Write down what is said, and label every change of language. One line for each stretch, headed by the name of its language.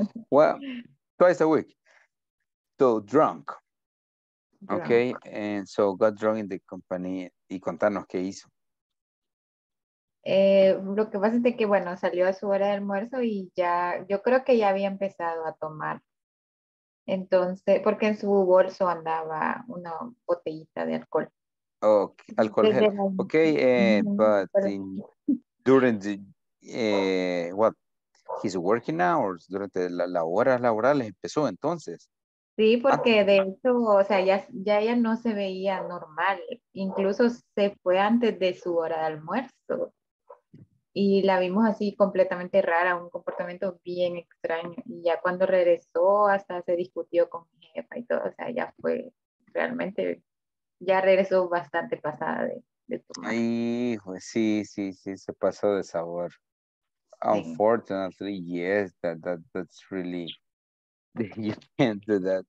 English: Well, twice a week, so drunk, okay, and so got drunk in the company,
Spanish: y contanos qué hizo. Lo que pasa es que, bueno, salió a su hora de almuerzo y ya, yo creo que ya había empezado a tomar. Entonces, porque en su bolso andaba una botellita de alcohol.
English: Oh, alcohol. Ok, but during the, what, his working hours,
Spanish: durante la horas laborales empezó entonces. Sí, porque de hecho, o sea, ya ella no se veía normal. Incluso se fue antes de su hora de almuerzo. Y la vimos así completamente rara, un comportamiento bien extraño. Y ya cuando regresó, hasta se discutió con mi jefa y todo. O sea, ya fue realmente, ya regresó bastante pasada de tomar. Ay, pues sí, se pasó de sabor. Sí.
English: Unfortunately, yes, that's really, you can't do that.